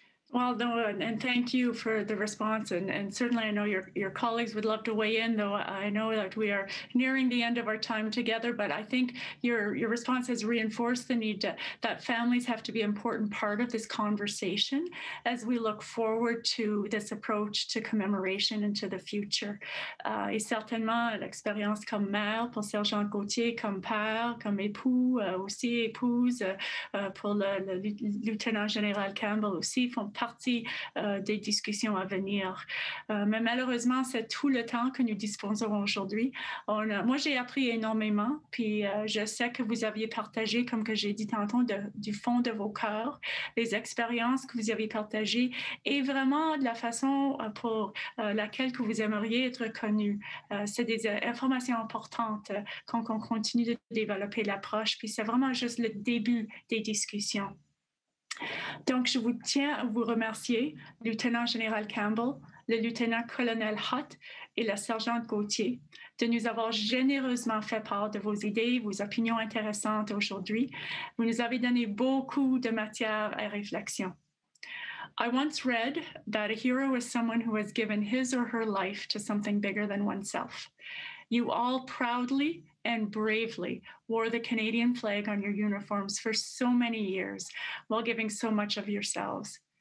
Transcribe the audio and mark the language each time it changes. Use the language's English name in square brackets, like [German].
[English] Well, no, and thank you for the response. And certainly I know your colleagues would love to weigh in, though I know that we are nearing the end of our time together, but I think your response has reinforced the need that families have to be an important part of this conversation as we look forward to this approach to commemoration into the future. [French] Et certainement, l'expérience comme mère pour Sergent Gauthier, comme père, comme époux, aussi épouse pour le lieutenant général Campbell aussi, font partie des discussions à venir. Mais malheureusement, c'est tout le temps que nous disposons aujourd'hui. Moi, j'ai appris énormément, puis je sais que vous aviez partagé, comme que j'ai dit tantôt, du fond de vos cœurs, les expériences que vous avez partagées et vraiment de la façon pour laquelle que vous aimeriez être connu. C'est des informations importantes quand on continue de développer l'approche, puis c'est vraiment juste le début des discussions. Donc, je vous tiens à vous remercier, lieutenant général Campbell, le lieutenant colonel Hutt et la sergente Gauthier, de nous avoir généreusement fait part de vos idées, vos opinions intéressantes aujourd'hui. Vous nous avez donné beaucoup de matière à réflexion. [English] I once read that a hero is someone who has given his or her life to something bigger than oneself. You all proudly and bravely wore the Canadian flag on your uniforms for so many years while giving so much of yourselves.